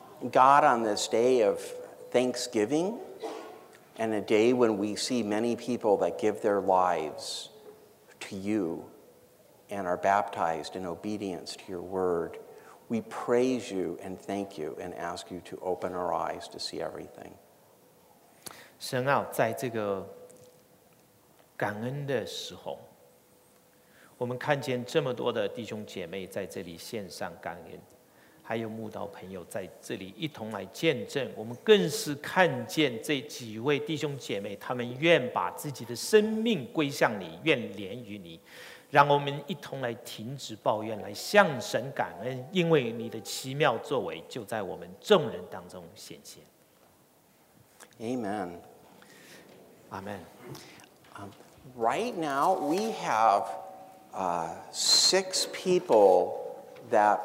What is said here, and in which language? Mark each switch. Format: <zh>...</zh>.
<en>God, on this day of Thanksgiving, and a day when we see many people that give their lives to you and are baptized in obedience to your word, we praise you and thank you and ask you to open our eyes to see everything.</en> <zh>神啊，在这个感恩的时候，我们看见这么多的弟兄姐妹在这里献上感恩，还有慕道朋友在这里一同来见证，我们更是看见这几位弟兄姐妹，他们愿把自己的生命归向你，愿连于你，让我们一同来停止抱怨，来向神感恩，因为你的奇妙作为就在我们众人当中显现。</zh> <en>Amen. Amen. Right now we have six people that are</en>